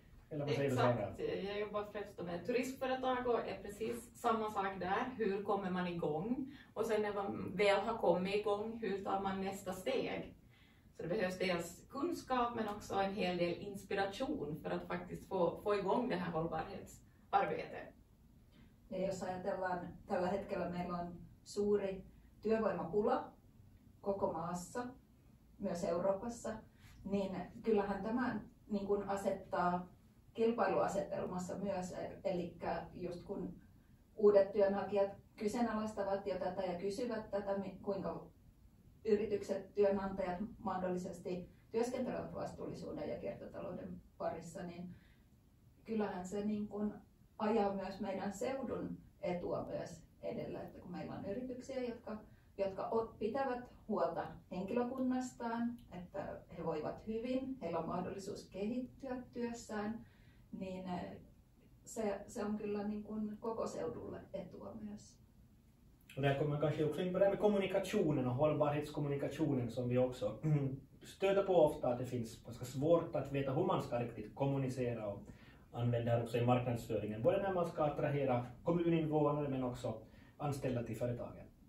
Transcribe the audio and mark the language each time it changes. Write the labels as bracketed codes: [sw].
[sv] Exakt, jag jobbar främst med turistföretag och är precis samma sak där. Hur kommer man igång? Och sen när man väl har kommit igång, hur tar man nästa steg? Så det behövs dels kunskap men också en hel del inspiration för att faktiskt få igång det här hållbarhetsarbetet. [fi] Ja jos ajatellaan, tällä hetkellä meillä on suuri työvoimapula koko maassa, myös Euroopassa, niin kyllähän tämä niin kuin asettaa kilpailuasetelmassa myös, eli just kun uudet työnhakijat kyseenalaistavat jo tätä ja kysyvät tätä, kuinka yritykset, työnantajat mahdollisesti työskentelevät vastuullisuuden ja kiertotalouden parissa, niin kyllähän se niin kuin ajaa myös meidän seudun etua myös edellä, että kun meillä on yrityksiä, jotka pitävät huolta henkilökunnastaan, että he voivat hyvin, heillä on mahdollisuus kehittyä työssään, niin se on kyllä niin kuin koko seudulle etua myös. [sv] Där kommer kanske också in på det med kommunikationen och hållbarhetskommunikationen som vi också stöter på ofta, att det finns ganska svårt att veta hur man ska riktigt kommunicera och använda det också i marknadsföringen, både när man ska attrahera kommuninvånare men också anställda till företagen.